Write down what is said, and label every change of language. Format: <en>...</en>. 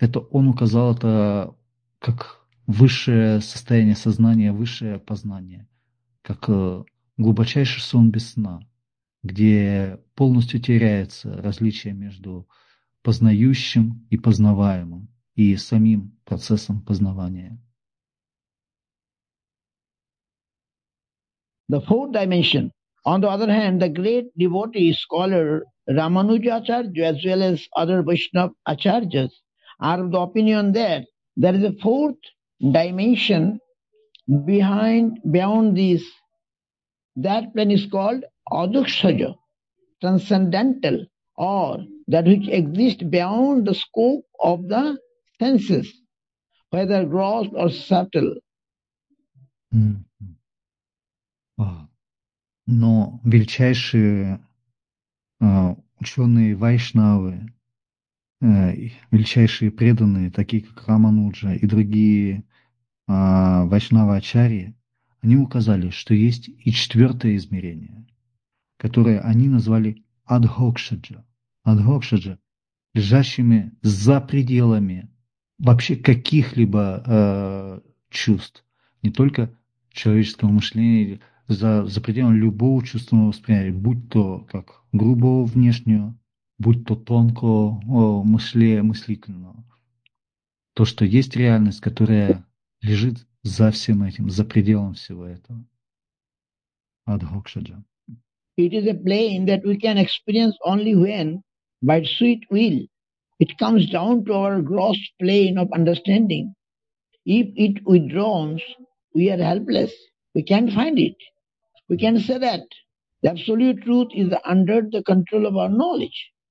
<ru>Он указал это как высшее состояние сознания, высшее познание, как глубочайший сон без сна, где полностью теряется различие между познающим и познаваемым и самим процессом познавания.</ru> <en>The fourth dimension. On the other hand, the great devotee scholar Ramanuja Acharya, as well as other Vaishnava Acharyas, are of the opinion that there is a fourth dimension beyond this. That plane is called adukshaja, transcendental, or that which exists beyond the scope of the senses, whether gross or subtle.</en> <ru>Но величайшие ученые вайшнавы, величайшие преданные, такие как Рамануджа и другие вайшнава-ачарьи, они указали, что есть и четвертое измерение, которое они назвали адхокшаджа. Адхокшаджа, лежащими за пределами вообще каких-либо чувств, не только человеческого мышления, за пределами любого чувственного восприятия, будь то как грубого внешнего, будь то тонкого мыслительного. То, что есть реальность, которая лежит за всем этим, за пределом всего этого. Адхокшаджа.</ru> <en>It is a plane that we can experience only when, by sweet will, it comes down to our gross plane of understanding. If it withdraws, we are helpless. We can't find it. We can say that the absolute truth is under the control of our knowledge.</en>